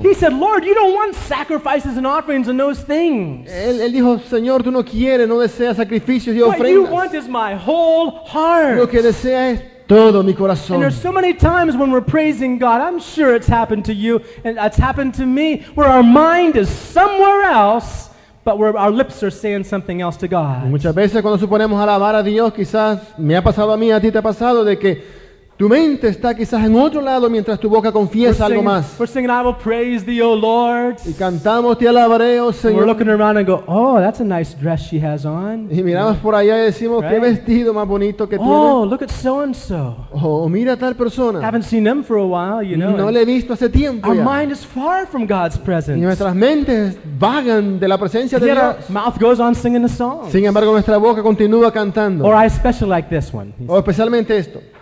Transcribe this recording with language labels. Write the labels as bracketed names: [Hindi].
[English] He said, Lord, you don't want sacrifices and offerings and those things. [Spanish] Él dijo, Señor, tú no quieres, no deseas sacrificios y ofrendas. [English] What you want is my whole heart. [Spanish] Lo que deseas es todo mi corazón. [English] And there's so many times when we're praising God, I'm sure it's happened to you and it's happened to me, where our mind is somewhere else, but where our lips are saying something else to God. [Spanish] Muchas veces cuando suponemos alabar a Dios, quizás me ha pasado a mí, a ti te ha pasado, de que tu mente está quizás en otro lado mientras tu boca confiesa algo más. [English] We're singing, I will praise thee, O Lord. [Spanish] Y cantamos, te alabaré, oh Señor. [English] And we're looking around and go, oh, that's a nice dress she has on. [Spanish] Y miramos por allá y decimos, [English] right? [Spanish] Qué vestido más bonito que oh, tiene. [English] Oh, look at so and so. [Spanish] Oh, mira tal persona. [English] Haven't seen them for a while, you know. [Spanish] No le he visto hace tiempo. [English] Our [Spanish] ya. [English] Mind is far from God's presence. [Spanish] Y nuestras mentes vagan de la presencia [English] and [Spanish] de Dios. [English] Our mouth goes on singing the song. [Spanish] Sin embargo, nuestra boca continúa cantando. [English] Or I especially like this one. [Spanish] O especialmente esto.